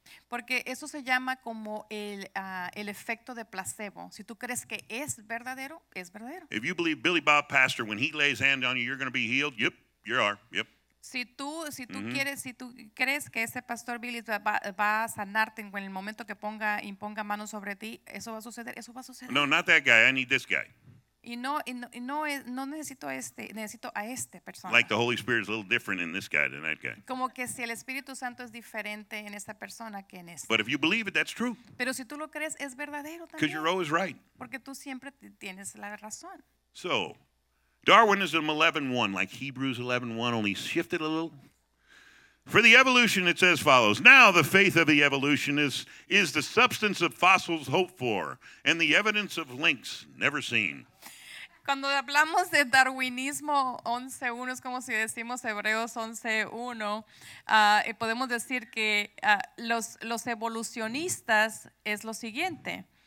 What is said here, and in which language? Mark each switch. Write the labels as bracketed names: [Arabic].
[Spanish] Porque eso se llama como el efecto de placebo. Si tú crees que es verdadero, es verdadero. [English] If you believe Billy Bob Pastor, when he lays hand on you, you're going to be healed. Yep, you are. Yep. [Spanish] Si tú mm-hmm. quieres, si tú crees que ese pastor Billy va a sanarte en el momento que imponga manos sobre ti, eso va a suceder. [English] No, not that guy. I need this guy. [Spanish] Y no necesito a este, necesito a esta persona. [English] Like the Holy Spirit is a little different in this guy than that guy. [Spanish] Como que si el Espíritu Santo es diferente en esta persona que en esta. [English] But if you believe it, that's true. [Spanish] Pero si tú lo crees, es verdadero también. [English] Because you're always right. [Spanish] Porque tú siempre tienes la razón. [English] So, Darwinism 11:1, like Hebrews 11:1, only shifted a little. For the evolution, it says follows. Now the faith of the evolution is the substance of fossils hoped for and the evidence of links never seen. [Spanish] Cuando hablamos de darwinismo 11:1, es como si decimos Hebreos 11:1, podemos decir que los evolucionistas es lo siguiente.